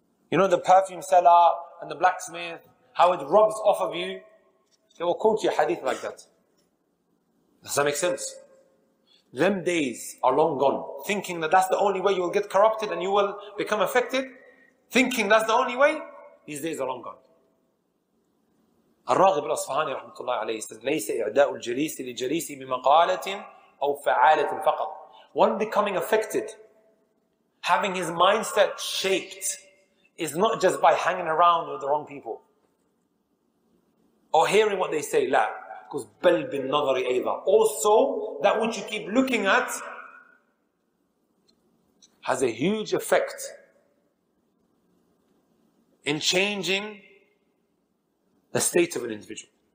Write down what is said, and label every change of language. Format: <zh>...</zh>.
<en>You know the perfume seller and the blacksmith, how it rubs off of you. They will quote you a hadith like that. Does that make sense? Them days are long gone. Thinking that that's the only way you will get corrupted and you will become affected. Thinking that's the only way. These days are long gone.</en> <ar>الراغب الأصفهاني رحمة الله عليه says, ليس إعداء الجليس لجليس بمقالة أو فعالة فقط.</ar> <en>One becoming affected, having his mindset shaped, is not just by hanging around with the wrong people or hearing what they say. لا, because</en> <ar>بل بالنظر أيضا.</ar> <en>Also, that which you keep looking at has a huge effect in changing the state of an individual.</en>